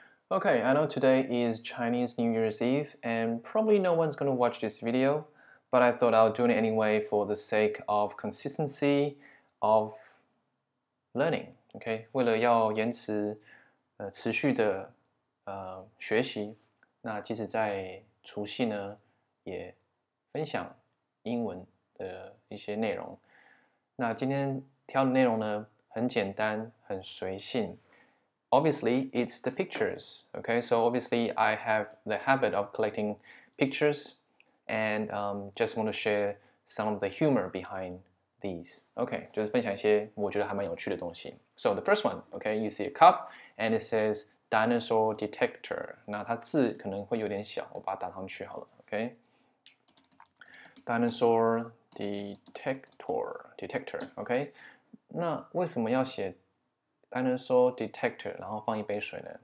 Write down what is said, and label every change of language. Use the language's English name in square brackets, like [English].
[English] Okay, I know today is Chinese New Year's Eve, and probably no one's going to watch this video, but I thought I'll do it anyway for the sake of consistency of learning. [Chinese] Okay, 为了要延迟持续的学习，那即使在除夕呢，也分享英文的一些内容。那今天挑的内容呢，很简单，很随性。 [English] Obviously, it's the pictures, okay? So obviously, I have the habit of collecting pictures and just want to share some of the humor behind these. [Chinese] Okay, 就是分享一些我觉得还蛮有趣的东西。 [English] So the first one, okay, you see a cup and it says dinosaur detector. [Chinese] 那它字可能会有点小，我把它打上去好了 okay? [English] Dinosaur detector, okay? [Chinese] 那为什么要写Dinosaur detector, 然后放一杯水呢?